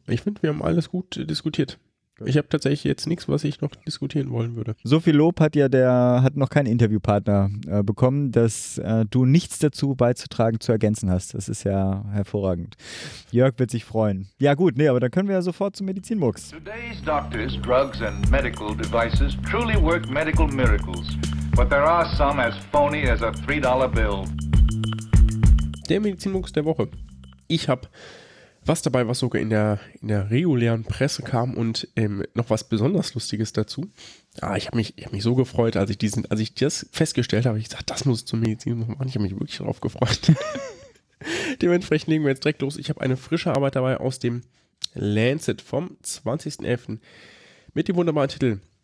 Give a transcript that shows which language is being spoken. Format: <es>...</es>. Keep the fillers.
<de>Ich finde, wir haben alles gut äh, diskutiert. Ich habe tatsächlich jetzt nichts, was ich noch diskutieren wollen würde. So viel Lob hat ja der, hat noch kein Interviewpartner äh, bekommen, dass äh, du nichts dazu beizutragen, zu ergänzen hast. Das ist ja hervorragend. Jörg wird sich freuen. Ja, gut, nee, aber dann können wir ja sofort zum Medizinmux.</de> <en>Today's doctors, drugs, and medical devices truly work medical miracles, but there are some as phony as a $3 bill.</en> <de>Der Medizinmux der Woche. Ich habe was dabei, was sogar in der, in der regulären Presse kam und ähm, noch was besonders Lustiges dazu. Ah, ich habe mich, ich hab mich so gefreut, als ich, diesen, als ich das festgestellt habe. Ich gesagt, das muss zum Medizinmux machen. Ich habe mich wirklich darauf gefreut. Dementsprechend legen wir jetzt direkt los. Ich habe eine frische Arbeit dabei aus dem Lancet vom 20.11. mit dem wunderbaren Titel</de>